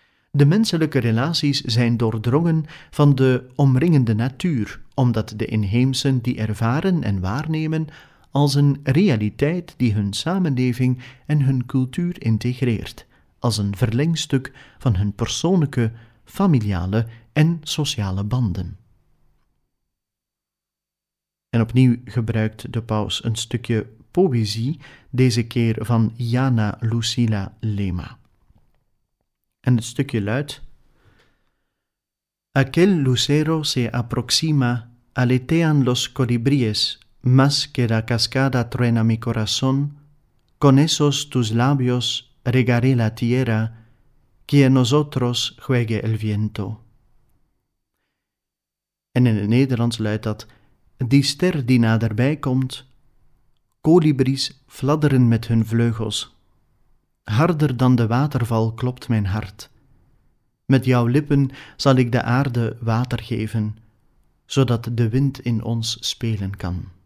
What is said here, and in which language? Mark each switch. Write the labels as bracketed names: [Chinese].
[Dutch] De menselijke relaties zijn doordrongen van de omringende natuur, omdat de inheemsen die ervaren en waarnemen als een realiteit die hun samenleving en hun cultuur integreert, als een verlengstuk van hun persoonlijke, familiale en sociale banden. En opnieuw gebruikt de paus een stukje poëzie, deze keer van Jana Lucila Lema. En het stukje luidt: [Spanish] Aquel lucero se aproxima, aletean los colibríes, más que la cascada truena mi corazón, con esos tus labios regaré la tierra, que en nosotros juegue el viento. [Dutch] En in het Nederlands luidt dat: Die ster die naderbij komt, kolibries fladderen met hun vleugels. Harder dan de waterval klopt mijn hart. Met jouw lippen zal ik de aarde water geven, zodat de wind in ons spelen kan.